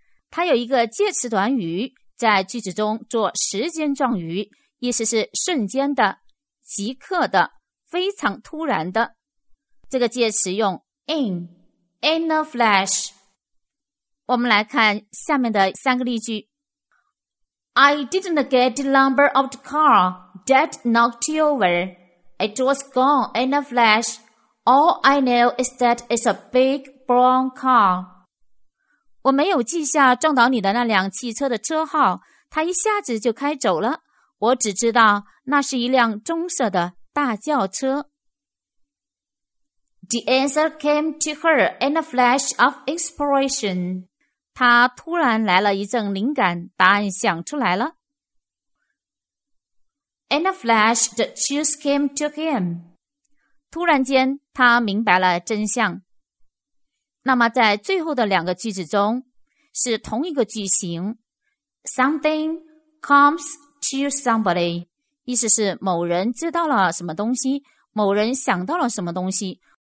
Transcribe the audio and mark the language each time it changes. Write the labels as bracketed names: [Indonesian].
[Chinese] 它有一个介词短语，在句子中做时间状语，意思是瞬间的、即刻的、非常突然的。这个介词用 in a flash。我们来看下面的三个例句。 [English] I didn't get the number of the car that knocked you over. It was gone in a flash. All I know is that it's a big brown car. [Chinese] 我没有记下撞倒你的那辆汽车的车号，它一下子就开走了。我只知道那是一辆棕色的大轿车。 [English] The answer came to her in a flash of inspiration. [Chinese] 她突然来了一阵灵感，答案想出来了。 [English] In a flash, the truth came to him. [Chinese] 突然间，她明白了真相。那么在最后的两个句子中，是同一个句型。 [English] Something comes to somebody. [Chinese] 意思是某人知道了什么东西，某人想到了什么东西。